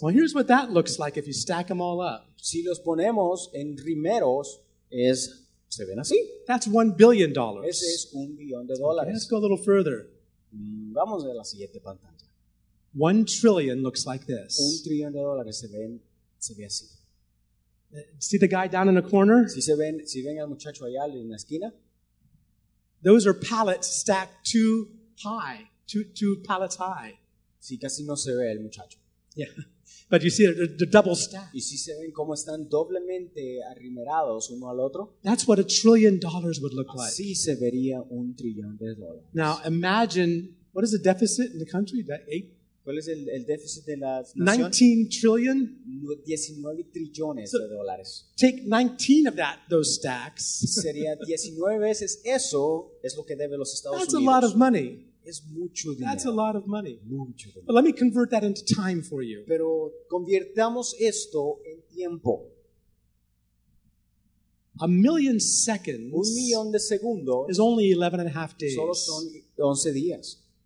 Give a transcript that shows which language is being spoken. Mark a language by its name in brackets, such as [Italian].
[English] Well, here's what that looks like if you stack them all up. [Spanish] Si los ponemos en rimeros, se ven así. [English] That's $1 billion. [Spanish] Ese es $1 billón de dólares. [English] Okay, let's go a little further. [Spanish] Vamos a la siguiente pantalla. [English] $1 trillion looks like this. [Spanish] $1 trillón de dólares se ve así. [English] See the guy down in the corner? [Spanish] Si ven al muchacho allá en la esquina. [English] Those are pallets stacked too high, two pallets high. [Spanish] Sí, casi no se ve el muchacho. [English] Yeah, but you see they're double stacked. [Spanish] Y si se ven cómo están doblemente arrimerados uno al otro. [English] That's what $1 trillion would look like. [Spanish] Así se vería $1 trillón de dólares. [English] Now imagine, what is the deficit in the country? That eight. [Spanish] ¿Cuál es el déficit de las naciones? [English] 19 trillion. [Spanish] 19 trillones so, de dólares. [English] Take 19 of that, those stacks. [Spanish] Sería 19 veces eso es lo que debe los Estados [English] That's [Spanish] Unidos. [English] That's a lot of money. [Spanish] Es mucho dinero. [English] That's a lot of money. [Spanish] Mucho dinero. [English] But let me convert that into time for you. [Spanish] Pero convirtamos esto en tiempo. [English] A million seconds. [Spanish] 1 millón de segundos. [English] Is only 11 and a half days. [Spanish] Solo son 11 días.